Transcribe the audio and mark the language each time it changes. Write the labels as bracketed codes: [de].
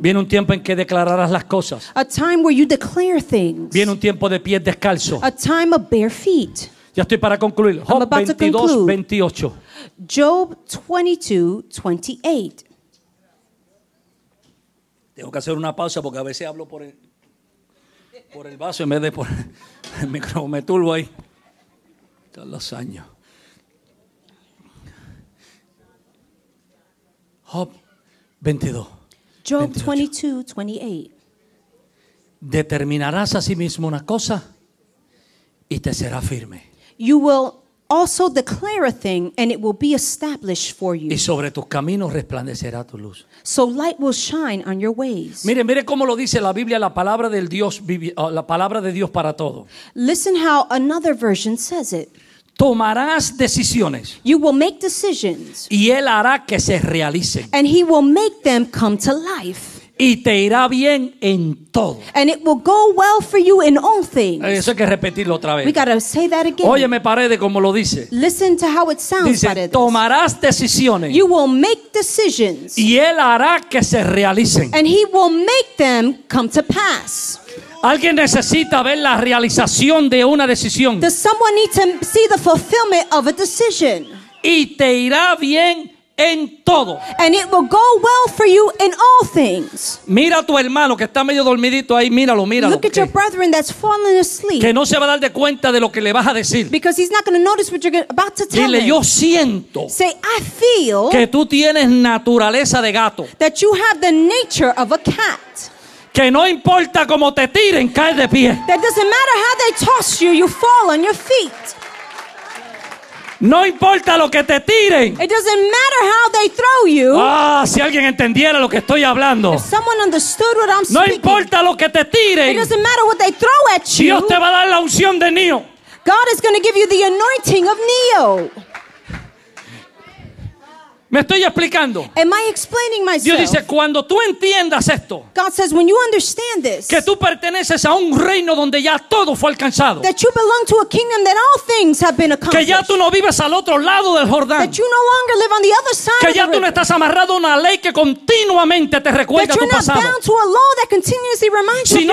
[es] Viene un tiempo en que declararás las cosas. [en] A time where you declare things. [es] Viene un tiempo de pies descalzos. [en] A time of bare feet. [es] Ya estoy para concluir. [en] I'm about 22, to conclude. [es] Job 22:28. [en] Job 22:28. [es] Tengo que hacer una pausa porque a veces hablo por el vaso en vez de por el micrófono. Me turbo ahí. Están los años. Job 22. [en] Job 22:28. [es] Determinarás a sí mismo una cosa y te será firme. [en] You will Also declare a thing and it will be established for you. [es] Y sobre tus caminos resplandecerá tu luz. [en] So light will shine on your ways. [es] Mire, mire cómo lo dice la Biblia, la palabra del Dios, la palabra de Dios para todo. [en] Listen how another version says it. [es] Tomarás decisiones. [en] You will make decisions. [es] Y él hará que se realicen. [en] And he will make them come to life. [es] Y te irá bien en todo. [en] And it will go well for you in all things. [es] Eso hay que repetirlo otra vez. [en] We gotta say that again. [es] Óyeme, Paredes, como lo dice. [en] Listen to how it sounds, [es] dice, [en] Paredes. [es] Tomarás decisiones. [en] You will make decisions. [es] Y él hará que se realicen. [en] And he will make them come to pass. [es] Alguien necesita ver la realización de una decisión. [en] Does someone need to see the fulfillment of a decision? [es] Y te irá bien en todo. [en] And it will go well for you in all things. [es] Mira a tu hermano que está medio dormidito ahí, míralo, míralo. [en] Look at your brethren that's fallen asleep. [es] Que no se va a dar de cuenta de lo que le vas a decir. [en] Because he's not going to notice what you're about to tell [es] him. Dile, yo siento. [en] Say, I feel. [es] Que tú tienes naturaleza de gato. [en] That you have the nature of a cat. [es] Que no importa cómo te tiren, cae de pie. [en] That doesn't matter how they toss you, you fall on your feet. [es] No importa lo que te tiren. [en] It doesn't matter how they throw you. [es] Ah, si alguien entendiera lo que estoy hablando. [en] If someone understood what I'm speaking. [es] No importa lo que te tiren. [en] It doesn't matter what they throw at you. [es] Dios te va a dar la unción de Neo. [en] God is going to give you the anointing of Neo. [es] Me estoy explicando. [en] Am I explaining myself? [es] Dios dice, cuando tú entiendas esto. [en] God says, when you understand this. [es] Que tú perteneces a un reino donde ya todo fue alcanzado. [en] That you belong to a kingdom that all things have been accomplished. [es] Que ya tú no vives al otro lado del Jordán. [en] That you no longer live on the other side of the [es] river. Que ya tú no estás amarrado a una ley que continuamente te recuerda tu pasado. [en] That you're not bound to a law that continuously reminds you of